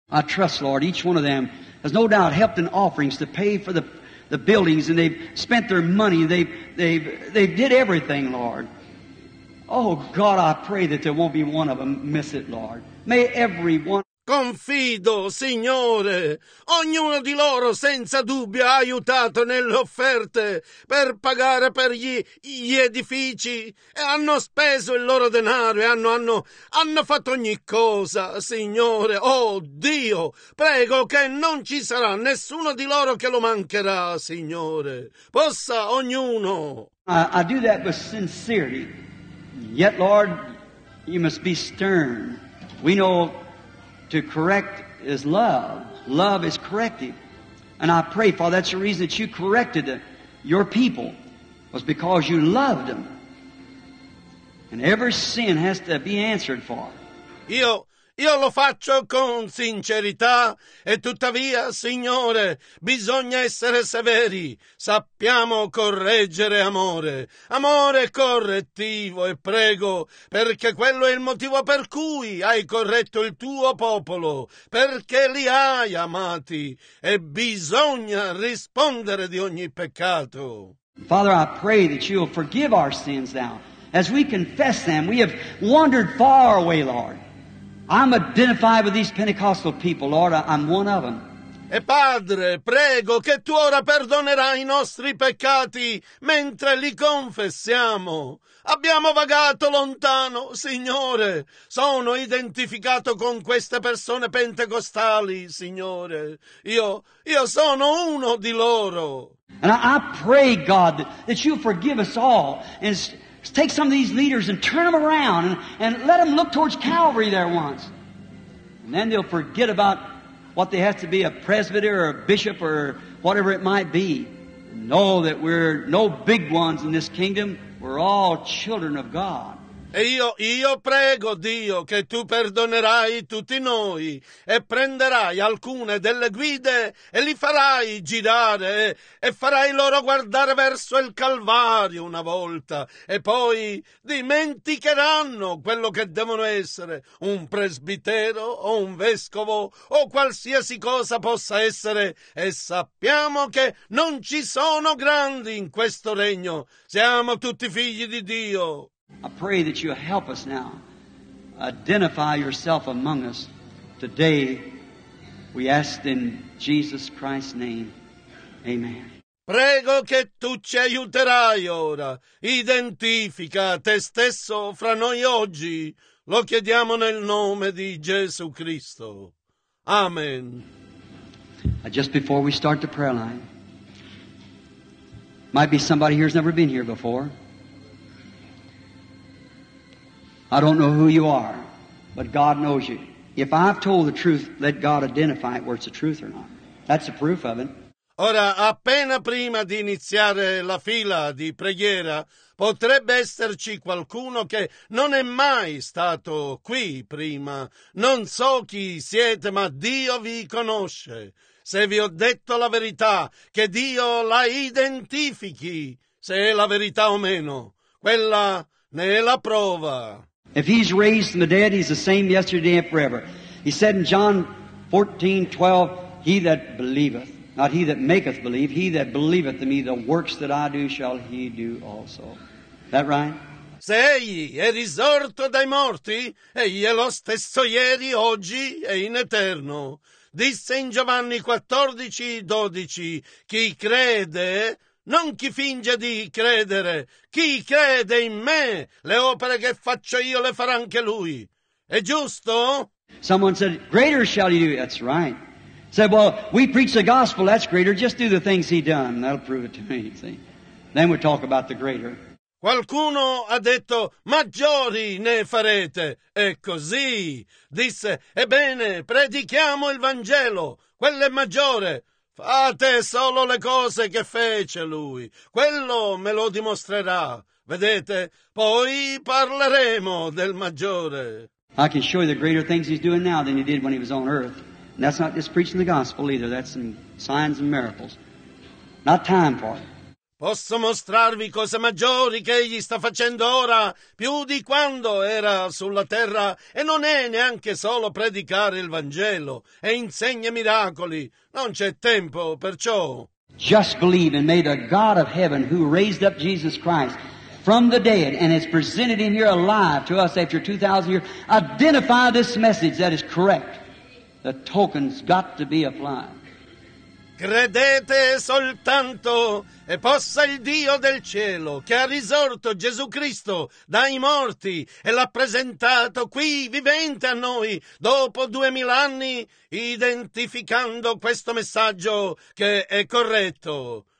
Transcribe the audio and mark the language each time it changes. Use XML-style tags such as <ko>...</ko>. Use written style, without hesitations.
<en>I trust, Lord, each one of them has no doubt helped in offerings to pay for the buildings, and they've spent their money. They did everything, Lord. Oh, God, I pray that there won't be one of them miss it, Lord. May everyone...</en> <it>Confido, Signore, ognuno di loro senza dubbio ha aiutato nelle offerte per pagare per gli edifici e hanno speso il loro denaro e hanno fatto ogni cosa, Signore. Oh Dio, prego che non ci sarà nessuno di loro che lo mancherà, Signore. Possa ognuno.</it> <en>I do that with sincerity. Yet, Lord, you must be stern. We know... To correct is love. Love is corrective. And I pray, Father, that's the reason that you corrected your people, was because you loved them. And every sin has to be answered for.</en> <it>Io lo faccio con sincerità e tuttavia, Signore, bisogna essere severi. Sappiamo correggere amore, amore correttivo, e prego perché quello è il motivo per cui hai corretto il tuo popolo, perché li hai amati e bisogna rispondere di ogni peccato.</it> <en>Father, I pray that you will forgive our sins now. As we confess them, we have wandered far away, Lord. I'm identified with these Pentecostal people, Lord. I'm one of them.</en> <it>E Padre, prego che tu ora perdonerai i nostri peccati mentre li confessiamo. Abbiamo vagato lontano, Signore. Sono identificato con queste persone pentecostali, Signore. Io sono uno di loro.</it> <en>And I pray, God, that you forgive us all and... Take some of these leaders and turn them around and let them look towards Calvary there once. And then they'll forget about what they have to be, a presbyter or a bishop or whatever it might be. And know that we're no big ones in this kingdom. We're all children of God.</en> <it>E io prego, Dio, che tu perdonerai tutti noi e prenderai alcune delle guide e li farai girare e farai loro guardare verso il Calvario una volta e poi dimenticheranno quello che devono essere, un presbitero o un vescovo o qualsiasi cosa possa essere, e sappiamo che non ci sono grandi in questo regno, siamo tutti figli di Dio.</it> <en>I pray that you help us now. Identify yourself among us. Today, we ask in Jesus Christ's name. Amen.</en> <it>Prego che tu ci aiuterai ora. Identifica te stesso fra noi oggi. Lo chiediamo nel nome di Gesù Cristo. Amen.</it> <en>Just before we start the prayer line, might be somebody here who's never been here before. I don't know who you are, but God knows you. If I've told the truth, let God identify it, where it's the truth or not. That's the proof of it.</en> <it>Ora, appena prima di iniziare la fila di preghiera, potrebbe esserci qualcuno che non è mai stato qui prima. Non so chi siete, ma Dio vi conosce. se vi ho detto la verità, che Dio la identifichi, se è la verità o meno. Quella ne è la prova.</it> <en>If he's raised from the dead, he's the same yesterday and forever. He said in John 14:12, he that believeth, not he that maketh believe, he that believeth in me, the works that I do shall he do also. That right?</en> <it>Se egli è risorto dai morti, egli è lo stesso ieri, oggi e in eterno. Disse in Giovanni 14:12, chi crede, non chi finge di credere, chi crede in me, le opere che faccio io le farà anche lui. È giusto?</it> <en>Someone said, greater shall he do. That's right. Said, well, we preach the gospel, that's greater. Just do the things he done, that'll prove it to me, see. Then we talk about the greater.</en> <it>Qualcuno ha detto, maggiori ne farete. E così disse, ebbene, predichiamo il Vangelo, quello è maggiore. Fate solo le cose che fece lui, quello me lo dimostrerà. Vedete, poi parleremo del maggiore.</it> <en>I can show you the greater things he's doing now than he did when he was on earth. And that's not just preaching the gospel either, that's some signs and miracles. Not time for it.</en> <it>Posso mostrarvi cose maggiori che egli sta facendo ora, più di quando era sulla terra, e non è neanche solo predicare il Vangelo e insegna miracoli. Non c'è tempo per ciò.</it> <en>Just believe and may the God of heaven who raised up Jesus Christ from the dead and has presented him here alive to us after 2,000 years, identify this message that is correct. The token's got to be applied.</en> <it>Credete soltanto e possa il Dio del cielo che ha risorto Gesù Cristo dai morti e l'ha presentato qui vivente a noi dopo 2000 anni identificando questo messaggio che è corretto.</it>